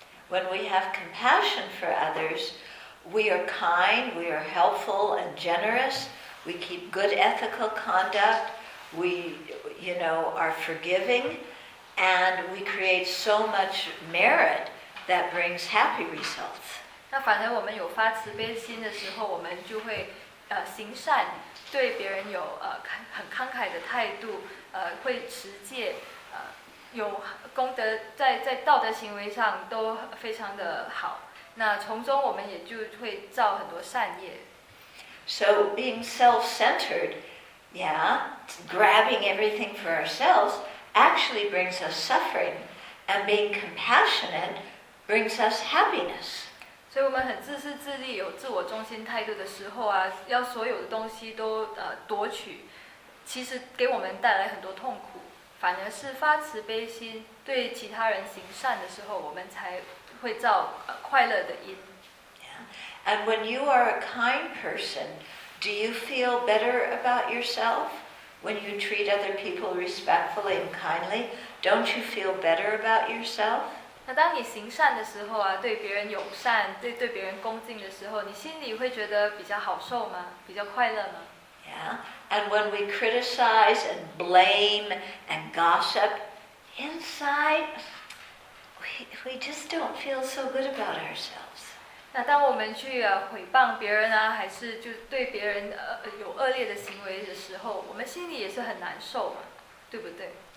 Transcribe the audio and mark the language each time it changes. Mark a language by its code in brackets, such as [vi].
[en] When we have compassion for others, we are kind, we are helpful and generous, we keep good ethical conduct, we are forgiving, and we create so much merit that brings happy results. [zh] 那反而我们有发慈悲心的时候，我们就会行善，对别人有很慷慨的态度，会持戒，有功德，在道德行为上都非常的好。那从中我们也就会造很多善业。 [en] So being self-centered, yeah, grabbing everything for ourselves actually brings us suffering, and being compassionate brings us happiness. [zh] 所以我们很自私自利，有自我中心态度的时候啊，要所有的东西都夺取。其实给我们带来很多痛苦，反而是发慈悲心，对其他人行善的时候，我们才会造快乐的因。 [en] And when you are a kind person, do you feel better about yourself? When you treat other people respectfully and kindly, don't you feel better about yourself? [zh] 那当你行善的时候啊，对别人友善，对别人恭敬的时候，你心里会觉得比较好受吗？比较快乐吗？ [en] And when we criticize and blame and gossip inside, we just don't feel so good about ourselves. [zh] 那当我们去毁谤别人啊，还是就对别人有恶劣的行为的时候，我们心里也是很难受嘛，对不对？